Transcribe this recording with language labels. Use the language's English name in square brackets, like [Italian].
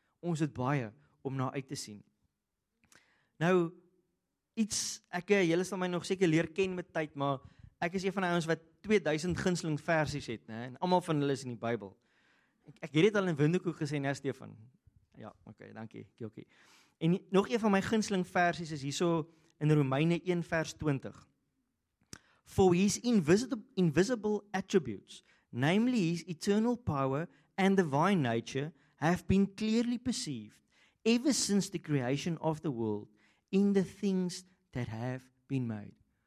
[Afrikaans] Ons het baie om na uit te sien. Nou, iets, julle sal my nog seker leer ken met tyd, maar ek is een van die ouens wat 2000 gunsteling versies het, ne, en almal van hulle is in die Bybel. Ek het dit al in Windhoek gesê, ne, Stefan? Ja, okay, dankie, okay. En nog een van my gunsteling versies is hierso in Romeine 1 vers 20. [English] For his invisible attributes, namely his eternal power and divine nature, have been clearly perceived ever since the creation of the world, in the things that have been made.